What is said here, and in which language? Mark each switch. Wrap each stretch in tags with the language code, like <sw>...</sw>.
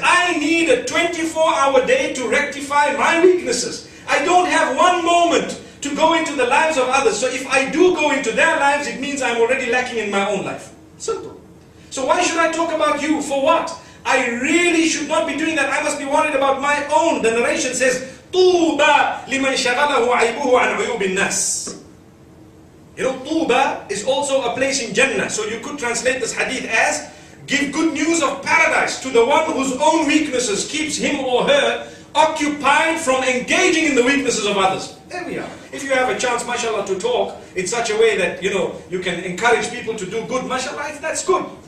<en>I need a 24-hour day to rectify my weaknesses. I don't have one moment to go into the lives of others. So if I do go into their lives, it means I'm already lacking in my own life. Simple. So why should I talk about you? For what? I really should not be doing that. I must be worried about my own. The narration says,</en> <ar>طُوبَ لِمَنْ شَغَلَهُ عَيْبُهُ عَنْ عُيُوبِ النَّاسِ.</ar> <en>You know, طُوبَ is also a place in Jannah. So you could translate this hadith as, give good news of paradise to the one whose own weaknesses keeps him or her occupied from engaging in the weaknesses of others. There we are. If you have a chance, mashallah, to talk in such a way that, you know, you can encourage people to do good, mashallah, that's good.</en>